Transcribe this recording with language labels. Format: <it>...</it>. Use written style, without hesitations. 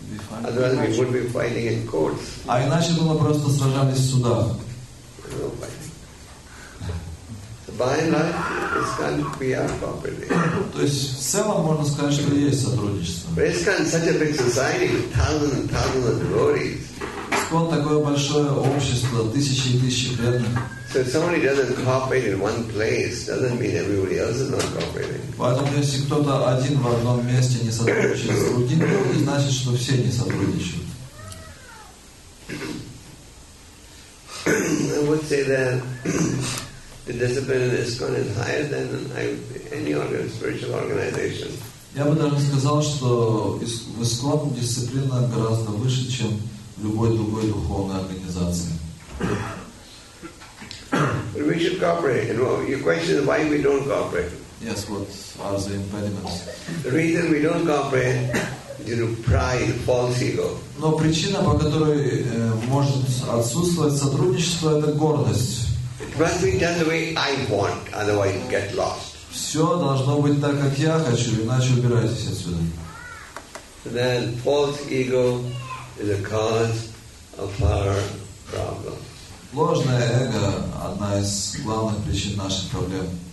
<ru>А иначе бы мы просто сражались в судах.</ru> <en>By and large, ISKCON, we are cooperating.</en> <ru>То есть в целом можно сказать, что есть сотрудничество.</ru> <en>But ISKCON is such a big society with thousands and thousands of devotees.</en> <ru>ISKCON такое большое общество, тысячи и тысячи преданных.</ru> <en>So if somebody doesn't cooperate in one place, doesn't mean everybody else is not cooperating.</en> <ru>Поэтому если кто-то один в одном месте не сотрудничает с другим, то не значит, что все не сотрудничают.</ru> <en>I would say that the discipline in ISKCON is higher than any other spiritual organization.</en> <ru>Я бы даже сказал, что в ISKCON дисциплина гораздо выше, чем в любой другой духовной организации.</ru> <en>But we should cooperate. And your question is why we don't cooperate. Yes, what are the impediments? The reason we don't cooperate is due to pride, false ego.</en> <ru>Но причина, по которой может отсутствовать сотрудничество, это гордость.</ru> <en>It must be done the way I want, otherwise you get lost.</en> <ru>Все должно быть так, как я хочу, иначе убирайтесь отсюда.</ru> <en>So then false ego is a cause of our problem.</en> <ru>Ложное эго – одна из главных причин наших проблем.</ru>